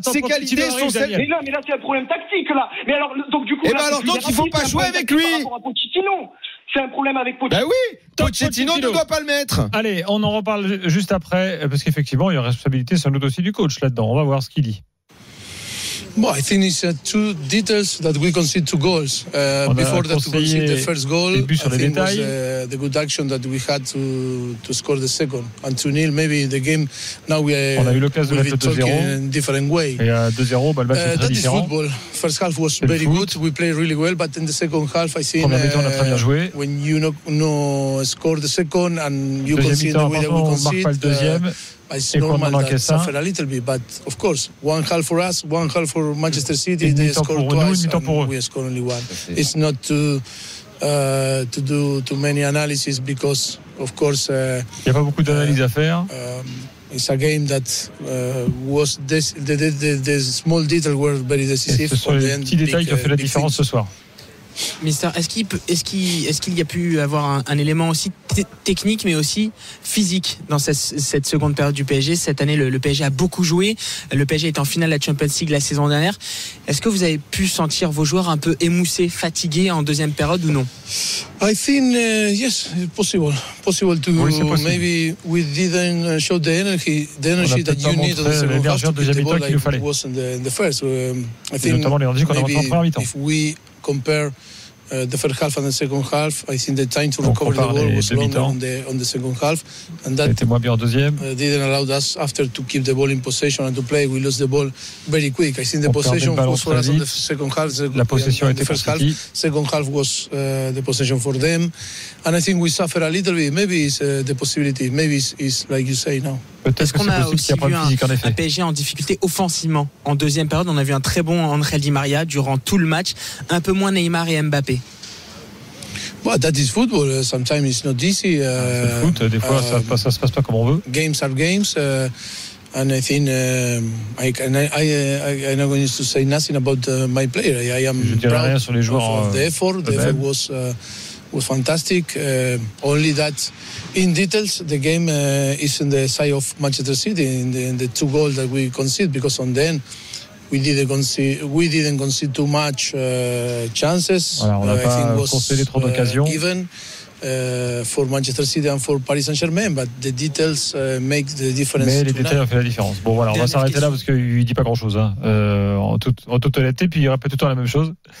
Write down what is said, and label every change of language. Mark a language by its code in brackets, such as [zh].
[fr] Mais non, mais là, c'est un problème tactique, là. Mais alors, donc, du coup. Et bien, alors, donc, il ne faut pas jouer avec lui. C'est un problème avec Pochettino. Ben oui, Pochettino ne doit pas le mettre. Allez, on en reparle juste après, parce qu'effectivement, il y a une responsabilité sans doute aussi du coach là-dedans. On va voir ce qu'il dit. [en] Well, I think it's two details that we concede two goals. Before that, we concede the first goal. I think it was the good action that we had to score the second. And 2-0, maybe the game now we are. [fr] On a eu l'occasion de mettre 2-0. [en] In a different way. [fr] Et à 2-0, bah, le match est très différent. [en] That is football. First half was very good. We played really well, but in the second half, I think. When you know score the second and you concede the way that we concede. It's normal that we suffer a little bit, but of course, one half for us, one half for Manchester City, they score twice, and we score only one. It's not to do too many analyses because, of course, [fr] il y a pas beaucoup d'analyses à faire. [en] It's a game that was the small details were very decisive. [fr] Et ce sont les petits détails qui ont fait la différence ce soir. Mister, est-ce qu'il y a pu avoir un élément aussi technique mais aussi physique dans cette seconde période du PSG? Cette année, le PSG a beaucoup joué. Le PSG est en finale de la Champions League la saison dernière. Est-ce que vous avez pu sentir vos joueurs un peu émoussés, fatigués en deuxième période ou non? [en] I think yes, possible to maybe we didn't show the energy that you need on the second half to get the ball like it was in the first. I think maybe if we compare the first half and the second half, I think the time to recover the ball was longer on the second half, and that [fr] était moins bien en deuxième. [en] Didn't allow us after to keep the ball in possession and to play. We lost the ball very quick. I think the possession was for us on the second half. [fr] La possession était pour City. [en] Second half was the possession for them, and I think we suffer a little bit. Maybe it's the possibility. Maybe it's like you say now. [fr] Est-ce qu'on a aussi vu un PSG en difficulté offensivement en deuxième période? On a vu un très bon André Di Maria durant tout le match, un peu moins Neymar et Mbappé. [en] Well, that is football. Sometimes it's not easy. [fr] C'est foot. Des fois, ça se passe pas comme on veut. [en] Games are games. And I think I'm not going to say nothing about my player. I am proud of the effort was. Was fantastic. Only that, in details, the game is in the side of Manchester City in the two goals that we conceded. Because on then, we didn't concede too much chances. [fr] Voilà, on n'a pas concédé trop d'occasions. [en] Even for Manchester City and for Paris Saint-Germain, but the details make the difference. [fr] Mais les détails ont fait la différence. Bon, voilà, on va s'arrêter là parce qu'il dit pas grand-chose. Hein. En toute honnêteté, puis il répète tout le temps la même chose.